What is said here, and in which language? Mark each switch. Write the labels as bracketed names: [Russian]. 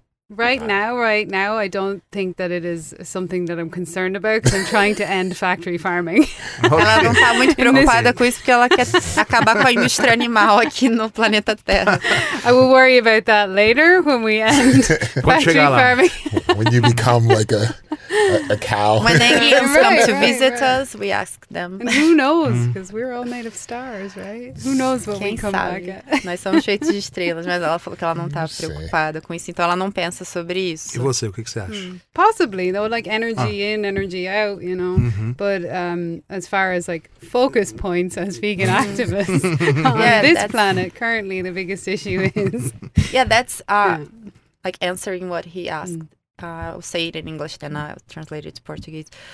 [English] Right now, I don't think that it is something that I'm concerned about, because I'm trying to end factory farming. Okay. [Portuguese] Ela não está muito preocupada com isso, porque ela quer acabar com a indústria animal aqui no planeta Terra. [English] I will worry about that later, when we end factory farming. When you become like a cow. When aliens come to visit us, we ask them. And who knows, because we're all made of stars, right? Who knows what [Portuguese] Quem [English] we come [Portuguese] sabe? [English] Back at. [Portuguese] Nós somos feitos de estrelas, mas ela falou que ela não está preocupada com isso, então ela não pensa sobre isso. E você, o que você acha? [English] Possibly, though, like energy in, energy out, you know. Mm-hmm. But as far as like focus points as vegan activists on this planet, currently the biggest issue is. Yeah, that's like answering what he asked. I'll say it in English, then I'll translate it to Portuguese.